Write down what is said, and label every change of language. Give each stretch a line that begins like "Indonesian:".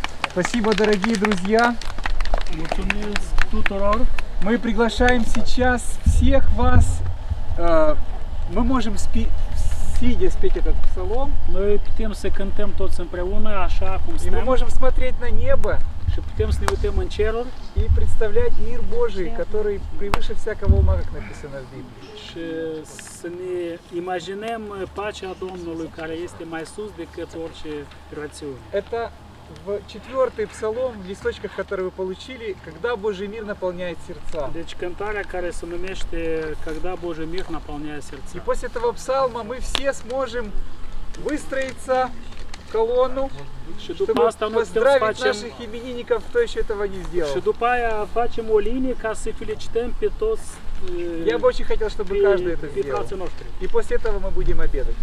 Russian: Спасибо, дорогие друзья.
Romanian: Mulțumesc tuturor.
Russian: Мы приглашаем сейчас всех вас. Мы можем сидеть спеть этот псалом.
Romanian: Noi putem să cântăm toți împreună, așa cum stăm.
Russian: И мы можем смотреть на небо.
Romanian: Și putem să ne uităm în ceruri.
Russian: И представлять мир Божий, который превыше всякого ума, как написано в Библии.
Romanian: Și să ne imaginăm pacea Domnului, care este mai sus decât orice rațiune.
Russian: Это в четвертый псалом, в листочках, которые вы получили, когда Божий мир наполняет сердца.
Romanian: Deci, cântarea care se numește
Russian: «Когда Божий мир наполняет сердца». И после этого псалма мы все сможем выстроиться в колонну, чтобы поздравить наших именинников, кто еще этого не сделал.
Romanian: Și după aia facem o linie ca să felicităm pe toți.
Russian: Я бы очень хотел, чтобы каждый это сделал. И после этого мы будем обедать.